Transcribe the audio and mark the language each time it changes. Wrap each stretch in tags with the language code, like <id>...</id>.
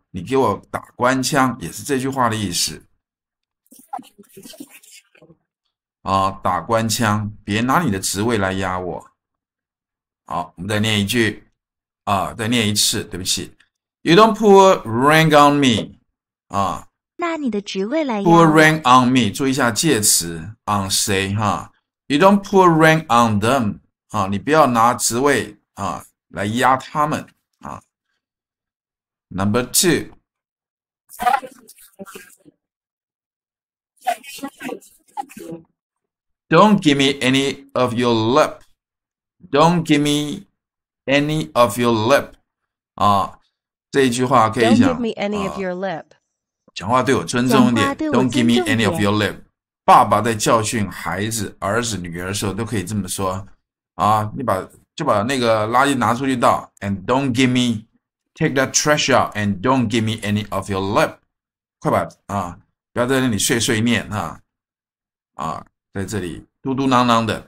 <zh>你给我打官腔也是这句话的意思啊，打官腔，别拿你的职位来压我。好，我们再念一句啊，再念一次，对不起。</zh> <en>You don't put rank on me 啊，</en> <zh>拿你的职位来压</zh> <en>put rank on me，</en> <zh>注意一下介词 on 谁哈。</zh> <en>You don't put rank on them</en> <zh>啊，你不要拿职位啊来压他们。</zh> <en>Number two. Don't give me any of your lip. Don't give me any of your lip.</en> <zh>啊，这一句话可以讲。</zh> <en>Don't give me any of your lip.</en> <zh>讲话对我尊重一点。</zh> <en>Don't give me any of your lip.</en> <zh>爸爸在教训孩子、儿子、女儿的时候都可以这么说。啊，你把就把那个垃圾拿出去倒。</zh> <en>And don't give me. Take that trash out and don't give me any of your lip.</en> <zh>快把啊，不要在那里碎碎念啊啊，在这里嘟嘟囔囔的。</zh>